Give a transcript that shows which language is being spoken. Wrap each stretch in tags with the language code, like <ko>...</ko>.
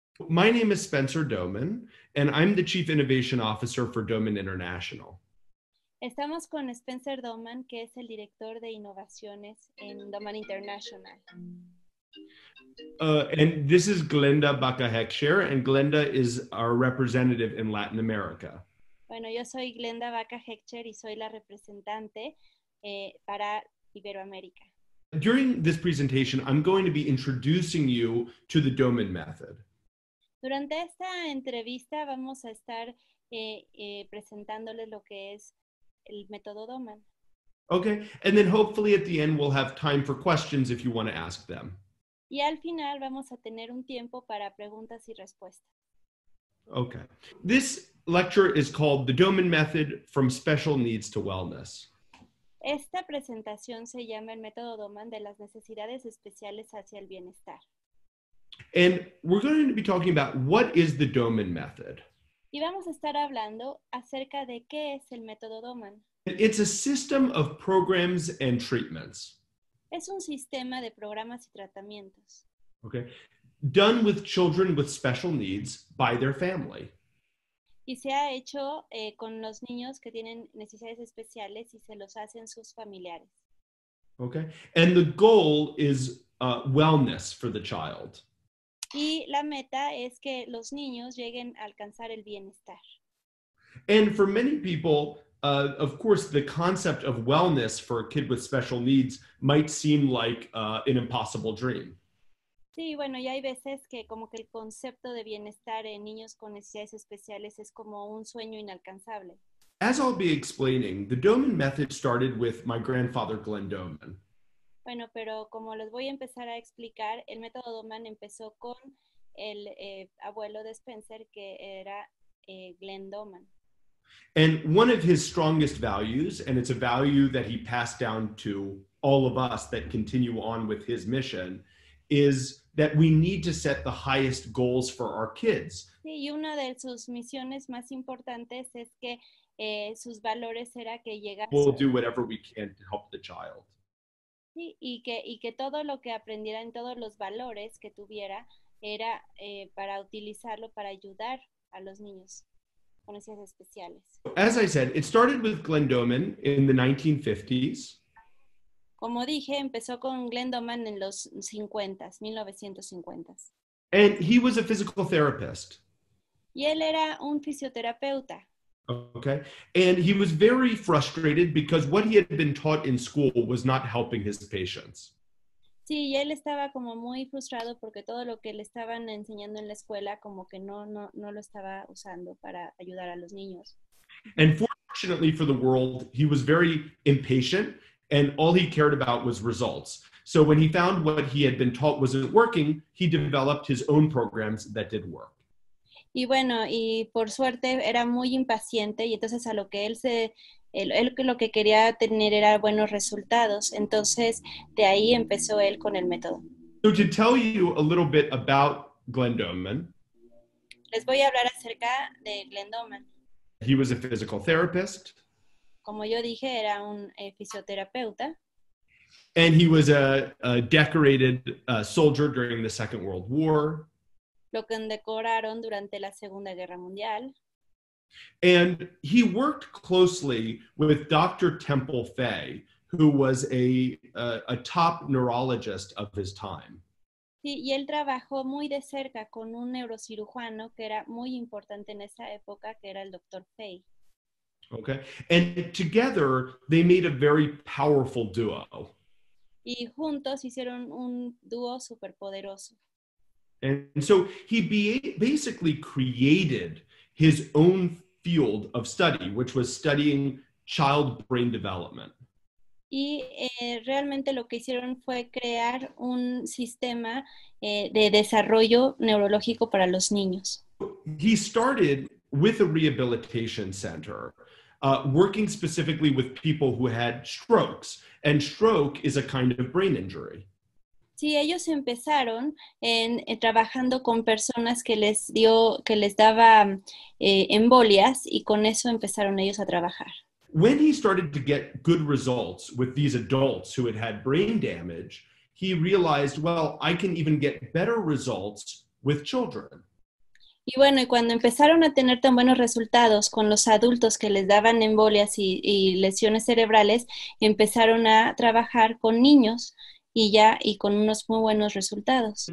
<en>My name is Spencer Doman and I'm the Chief Innovation Officer for Doman International.</en> <es>Estamos con Spencer Doman, que es el director de innovaciones en Doman International.</es> <en>And this is Glenda Baca-Heckscher, and Glenda is our representative in Latin America.</en> <es>Bueno, yo soy Glenda Baca-Heckscher y soy la representante para Iberoamérica.</es> <en>During this presentation, I'm going to be introducing you to the Doman method.</en> <es>Durante esta entrevista vamos a estar presentándoles lo que es el método Doman.</es> <en>Okay, and then hopefully at the end we'll have time for questions if you want to ask them.</en> <es>Y al final vamos a tener un tiempo para preguntas y respuestas.</es> <en>Okay, this lecture is called The Doman Method from Special Needs to Wellness.</en> <es>Esta presentación se llama el método Doman de las necesidades especiales hacia el bienestar.</es> <en>And we're going to be talking about what is the Doman method.</en> <es>Y vamos a estar hablando acerca de qué es el método Doman.</es> <en>It's a system of programs and treatments.</en> <es>Es un sistema de programas y tratamientos.</es> <en>Okay. Done with children with special needs by their family.</en> <es>Y se ha hecho con los niños que tienen necesidades especiales y se los hacen sus familiares.</es> <en>Okay. And the goal is wellness for the child.</en> <es>Y la meta es que los niños lleguen a alcanzar el bienestar.</es> <en>And for many people, of course, the concept of wellness for a kid with special needs might seem like an impossible dream.</en> <es>Sí, bueno, y hay veces que como que el concepto de bienestar en niños con necesidades especiales es como un sueño inalcanzable.</es> <en>As I'll be explaining, the Doman method started with my grandfather, Glenn Doman.</en> <es>Bueno, pero como les voy a empezar a explicar, el método Doman empezó con el abuelo de Spencer, que era Glenn Doman.</es> <en>And one of his strongest values, and it's a value that he passed down to all of us that continue on with his mission, is that we need to set the highest goals for our kids.</en> <es>Sí, y una de sus misiones más importantes es que sus valores era que llegase.</es> <en>We'll do whatever we can to help the child.</en> <es>Sí, y que todo lo que aprendiera en todos los valores que tuviera era para utilizarlo para ayudar a los niños con necesidades especiales.</es> <en>As I said, it started with Glenn Doman in the 1950s.</en> <es>Como dije, empezó con Glenn Doman en los 50s, 1950s.</es> <en>And he was a physical therapist.</en> <es>Y él era un fisioterapeuta.</es> <en>Okay. And he was very frustrated because what he had been taught in school was not helping his patients.</en> <es>Sí, y él estaba como muy frustrado porque todo lo que le estaban enseñando en la escuela como que no lo estaba usando para ayudar a los niños.</es> <en>And fortunately for the world, he was very impatient. And all he cared about was results. So when he found what he had been taught wasn't working, he developed his own programs that did work.</en> <es>Y bueno, y por suerte era muy impaciente, y entonces a lo que él lo que quería tener era buenos resultados. Entonces de ahí empezó él con el método.</es> <en>So to tell you a little bit about Glenn Doman.</en> <es>Les voy a hablar acerca de Glenn Doman.</es> <en>He was a physical therapist.</en> <es>Como yo dije, era un fisioterapeuta.</es> <en>And he was a decorated soldier during the Second World War.</en> <es>Lo condecoraron durante la Segunda Guerra Mundial.</es> <en>And he worked closely with Dr. Temple Faye, who was a top neurologist of his time.</en> <es>Sí, y él trabajó muy de cerca con un neurocirujano que era muy importante en esa época, que era el Dr. Faye.</es> <en>Okay, and together they made a very powerful duo.</en> <es>Y juntos hicieron un dúo superpoderoso.</es> <en>And so he basically created his own field of study, which was studying child brain development.</en> <es>Y realmente lo que hicieron fue crear un sistema de desarrollo neurológico para los niños.</es> <en>He started with a rehabilitation center. Working specifically with people who had strokes, and stroke is a kind of brain injury.</en> <es>Sí, ellos empezaron trabajando con personas que les daba embolias, y con eso empezaron ellos a trabajar.</es> <en>When he started to get good results with these adults who had had brain damage, he realized, well, I can even get better results with children.</en> <es>Y bueno, y cuando empezaron a tener tan buenos resultados con los adultos que les daban embolias y lesiones cerebrales, empezaron a trabajar con niños y ya, y con unos muy buenos resultados.</es>